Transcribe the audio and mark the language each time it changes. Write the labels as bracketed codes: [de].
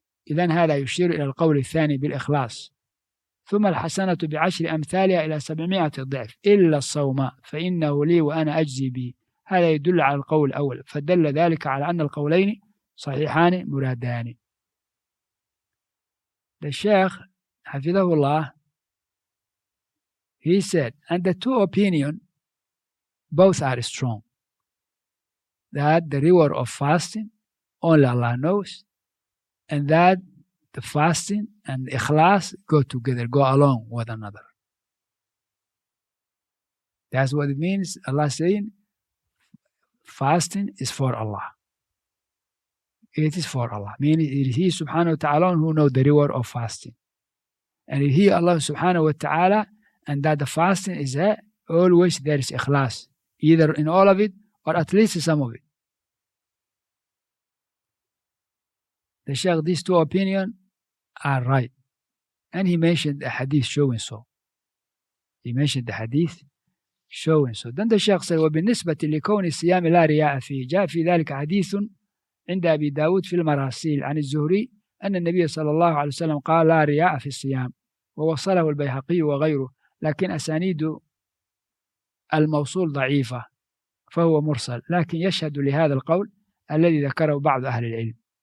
[ar] إذن هذا يشير إلى القول الثاني بالإخلاص. ثم الحسنة بعشر أمثالها إلى 700 ضعف إلا الصوم فإنه لي وأنا أجزي به. هذا يدل على القول الأول، فدل ذلك على أن القولين صحيحان مرادان. [en] The Sheikh, Hafidhahullah, he said, and the two opinions, both are strong. That the reward of fasting, only Allah knows, and that the fasting and ikhlas go together, go along with another. That's what it means, Allah saying, fasting is for Allah. It is for Allah. Meaning, it is He subhanahu wa ta'ala who knows the reward of fasting. And it is He Allah subhanahu wa ta'ala, and that the fasting is always there is ikhlas, either in all of it or at least some of it. The Sheikh, these two opinions are right. And he mentioned a hadith showing so. He mentioned the hadith showing so. [ar] Then the Sheikh said, وبالنسبة لكون الصيام لا رياء فيه جاء في ذلك حديث عند أبي داود في المراسيل عن الزهري أن النبي صلى الله عليه وسلم قال لا رياء في الصيام ووصله البيهقي وغيره، لكن أسانيد الموصول ضعيفة فهو مرسل، لكن يشهد لهذا القول الذي ذكره بعض أهل العلم.